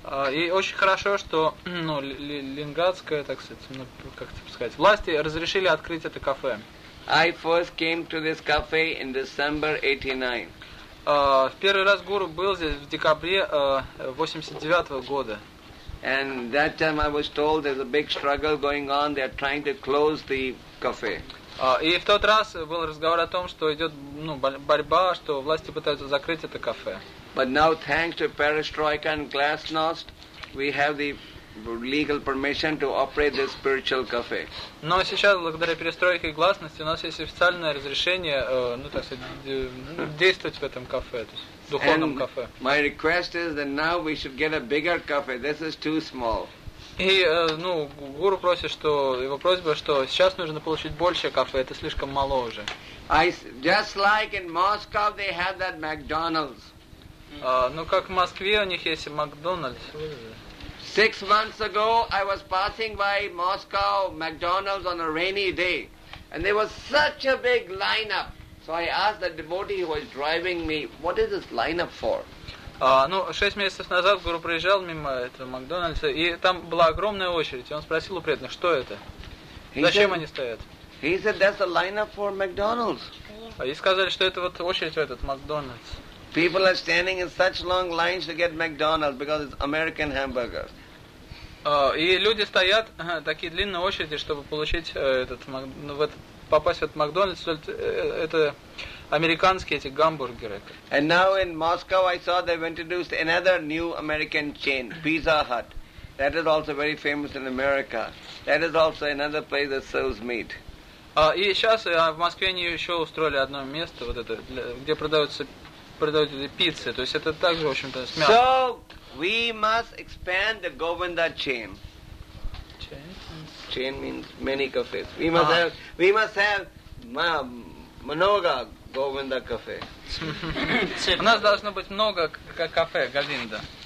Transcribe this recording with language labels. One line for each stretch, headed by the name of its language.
Russian: И очень хорошо, что, ну, ленинградская, так сказать, ну, как это сказать, власти разрешили открыть это кафе.
English: I first came to this cafe in December 89.
Russian: В первый раз гуру был здесь в декабре 89 года.
English: And that time I was told there's a big struggle going on. They are trying to close the cafe.
Russian: И в тот раз был разговор о том, что идет, ну, борьба, что власти пытаются закрыть это кафе.
English: But now, thanks to Perestroika and Glasnost, we have the legal permission to operate this spiritual cafe.
Russian: Но сейчас, благодаря перестройке и гласности, у нас есть официальное разрешение, ну, так сказать, действовать в этом кафе, то есть в духовном кафе.
English: And my request is that now we should get a bigger cafe. This is too small.
Russian: И, ну, гуру просит, что его просьба, что сейчас нужно получить больше кафе, это слишком мало уже.
English: Just like in Moscow, they have that McDonald's.
Russian: Ну, как в Москве у них есть McDonald's.
English: 6 months ago, I was passing by Moscow McDonald's on a rainy day, and there was such a big lineup. So I asked the devotee who was driving me, "What is this lineup for?"
Russian: Ну, 6 месяцев назад гуру проезжал мимо этого Макдональдса, и там была огромная очередь. И он спросил у преданных, что это, зачем они стоят.
English: He said, "That's a lineup for McDonald's."
Russian: И сказали, что это вот очередь в этот Макдональдс.
English: People are standing in such long lines to get McDonald's because it's American hamburger.
Russian: И люди стоят такие длинные очереди, чтобы получить этот, ну, в этот, попасть в этот Макдональдс. Это американские эти гамбургеры.
English: And now in Moscow, I saw they've introduced another new American chain, Pizza Hut. That is also very famous in America. That is also another place that sells meat.
Russian: И сейчас в Москве они еще устроили одно место, вот это, где продают эти пиццы, то есть это также, в общем-то, с мясом.
English: So we must expand the Govinda chain. Chain means many cafes. We must have
Russian: много Govinda кафе. У нас должно быть много кафе Govinda.